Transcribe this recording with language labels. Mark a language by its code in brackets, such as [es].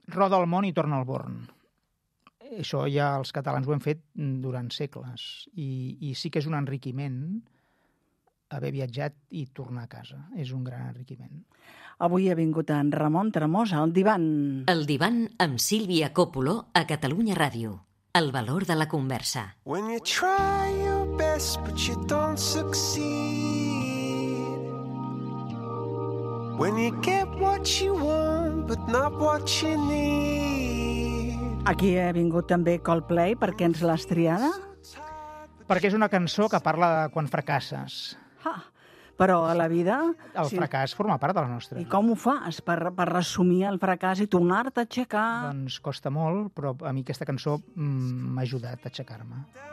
[ca] Roda el món i torna al Born. Això ja els catalans ho hem fet durant segles. I sí que és un enriquiment haver viatjat i tornar a casa. És un gran enriquiment. Avui ha vingut en Ramon Tremosa, al divan. El divan amb Sílvia Coppolo a Catalunya Ràdio. El valor de la conversa. [en] When you try your best but you don't succeed. When you get what you want but not what you need. [ca] Aquí ha vingut també Coldplay, perquè ens l'has triada? Perquè és una cançó que parla de quan fracasses. Ha, però a la vida... El fracàs forma part de la nostra. I com ho fas per resumir el fracàs i tornar-te a aixecar? Doncs costa molt, però a mi aquesta cançó m'ha ajudat a aixecar-me.